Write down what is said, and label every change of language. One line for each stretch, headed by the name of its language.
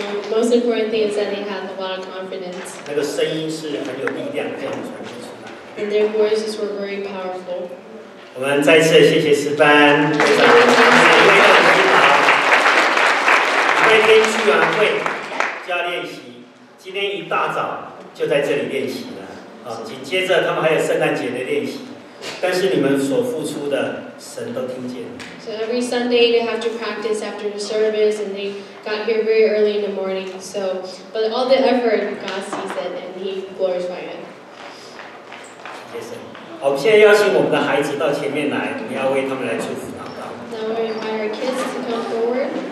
English: Most important thing is that they had a lot of confidence.
Chinese: 那个声音是很有力量，这样传出来。
English: And their voices were very powerful.
Chinese: 我们再次谢谢诗班，非常感谢你们的指导。会跟聚会加练习，今天一大早就在这里练习了。紧接着他们还有圣诞节的练习。但是你们所付出的，神都听见。
English: So every Sunday they have to practice after the service, and they got here very early in the morning. So, but all the effort God sees it, and He glorifies it.
Chinese: 谢谢。好，我们现在邀请我们的孩子到前面来，我们要为他们来祝福祷告。
English: Now we invite our kids to come forward.